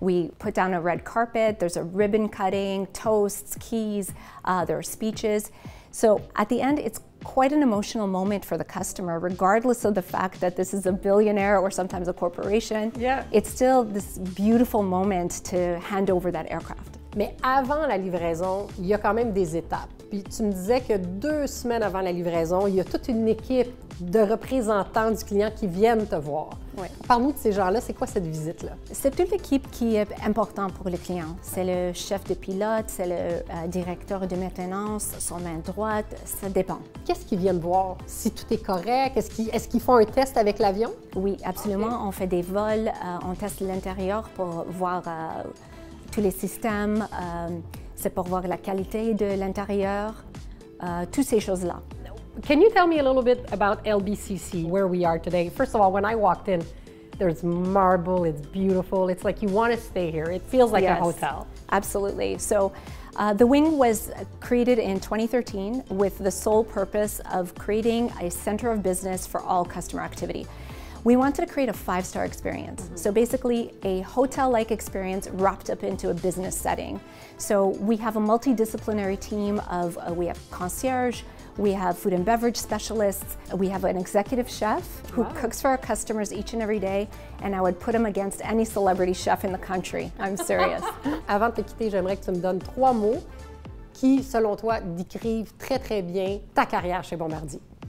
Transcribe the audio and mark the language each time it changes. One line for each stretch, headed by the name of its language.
English: We put down a red carpet. There's a ribbon cutting, toasts, keys. There are speeches. So at the end, it's quite an emotional moment for the customer, regardless of the fact that this is a billionaire or sometimes a corporation. Yeah. It's still this beautiful moment to hand over that aircraft.
French: Mais avant la livraison, il y a quand même des étapes. Puis tu me disais que 2 semaines avant la livraison, il y a toute une équipe de représentants du client qui viennent te voir. Oui. Parle-nous de ces gens-là, c'est quoi cette visite-là? C'est toute l'équipe qui est importante pour le client. C'est le chef de pilote, c'est le directeur de maintenance, son main droite, ça dépend. Qu'est-ce qu'ils viennent voir? Si tout est correct? Est-ce qu'ils font un test avec l'avion? Oui, absolument. Okay. On fait des vols, on teste l'intérieur pour voir tous les systèmes. C'est pour voir la qualité de l'intérieur, toutes ces choses-là.
English: Can you tell me a little bit about LBCC, where we are today? First of all, when I walked in, there's marble, it's beautiful. It's like you want to stay here. It feels like yes, a hotel. Absolutely. So the wing was created in 2013 with the sole purpose of creating a center of business for all customer activity. We wanted to create a 5-star experience. Mm-hmm. So basically a hotel-like experience wrapped up into a business setting. So we have a multidisciplinary team of, we have concierge, we have food and beverage specialists, we have an executive chef who wow. cooks for our customers each and every day, and I would put him against any celebrity chef in the country. I'm serious.
French: Avant de te quitter, j'aimerais que tu me donnes 3 mots qui, selon toi, décrivent très, très bien ta carrière chez Bombardier.